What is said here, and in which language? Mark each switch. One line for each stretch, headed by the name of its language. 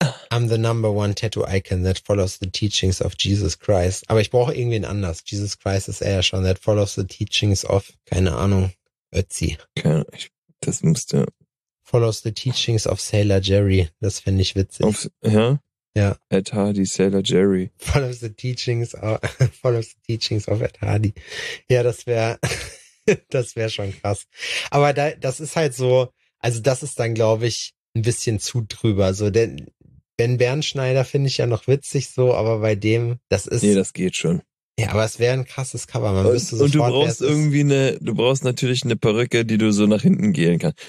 English: I'm the number one tattoo icon that follows the teachings of Jesus Christ.
German: Aber ich brauche irgendwen anders. Jesus Christ ist er ja schon.
English: That follows the teachings of,
German: keine Ahnung,
English: Ötzi.
German: Das müsste.
English: Follows the teachings of Sailor Jerry.
German: Das fände ich witzig. Ja. Ed Hardy, Sailor Jerry.
English: Follows the teachings of Ed Hardy.
German: Ja, das wäre schon krass. Aber da, das ist halt so, also das ist dann, glaube ich, ein bisschen zu drüber. So, denn Ben Bernschneider finde ich ja noch witzig so, aber bei dem, das ist. Nee, das geht schon. Ja, aber es wäre ein krasses Cover. Man müsste sofort, und du brauchst irgendwie du brauchst natürlich eine Perücke, die du so nach hinten gehen kannst.